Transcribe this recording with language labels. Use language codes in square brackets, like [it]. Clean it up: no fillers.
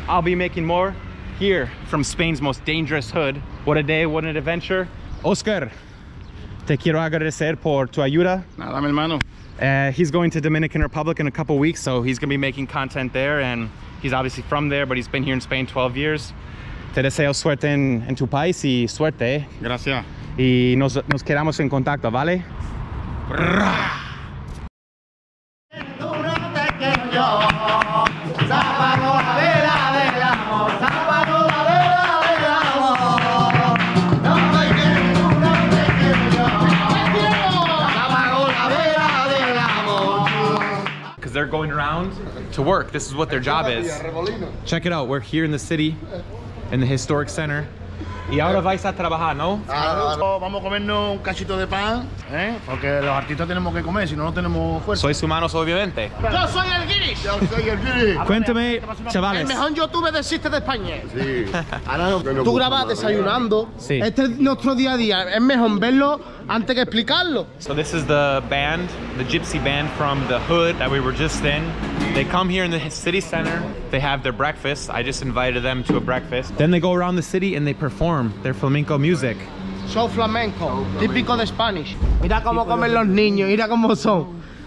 [en] I'll be making more here from Spain's most dangerous hood. What a day, what an adventure. Oscar, [es] te quiero agradecer por tu ayuda. Nada, mi hermano. [en] He's going to Dominican Republic in a couple weeks, so he's gonna be making content there, and he's obviously from there, but he's been here in Spain 12 years. [es] Te deseo suerte en tu país y suerte. Gracias. Y nos quedamos en contacto, ¿vale? [en] They're going around to work. This is what their job is. Check it out. We're here in the city, in the historic center. [es] Y ahora vais a trabajar, ¿no? Vamos a comernos un cachito de pan, porque los artistas tenemos que comer, si no, no tenemos fuerza. Sois humanos, obviamente. Yo soy el guiri. Cuéntame, chavales. El mejor YouTuber de existe de España. Sí. Tú grabas desayunando. Sí. Este es nuestro día a día. Es mejor verlo antes que explicarlo. [en] So this is the band, the Gypsy band from the hood that we were just in. They come here in the city center. They have their breakfast. I just invited them to a breakfast. Then they go around the city and they perform their flamenco music. [es] Show flamenco, típico de Spanish. Mira cómo comen los niños, mira cómo son.